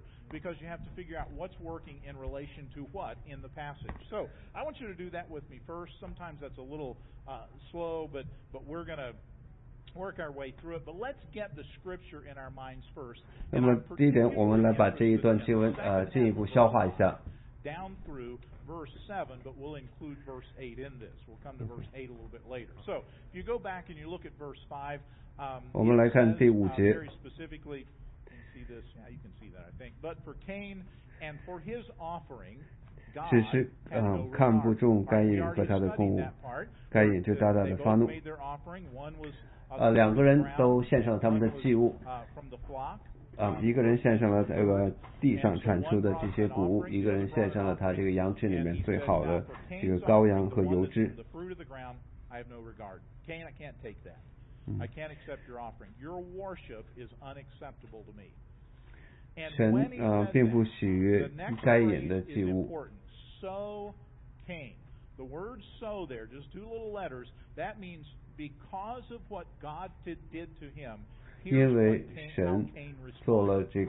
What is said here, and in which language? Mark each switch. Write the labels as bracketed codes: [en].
[en] because you have to figure out what's working in relation to what in the passage. So I want you to do that with me first. Sometimes that's a little slow, but we're going to work our way through it. But let's get the scripture in our minds first. [zh] 那么第一点，我们来把这一段经文进一步消化一下。 [en] Down through verse 7, but we'll include verse 8 in this. We'll come to verse 8 a little bit later. So if you go back and you look at verse 5, [zh] 我们来看第五节。 [en] Very specifically,see this? Yeah, you can see that, I think. But for Cain and for his offering, God had no regard. We already studied that part. They both made their offering. One was from the ground, one was from the flock. [zh] 一个人献上了这个地上产出的这些谷物，一个人献上了他这个羊群里面最好的这个羔羊和油脂。 [en] The fruit of the ground, I have no regard. Cain, I can't take that. I can't accept your offering. Your worship is unacceptable to me. And when he said that, the next phrase is important. So Cain. The word so there, just two little letters, that means because of what God did to him, here's what Cain responded.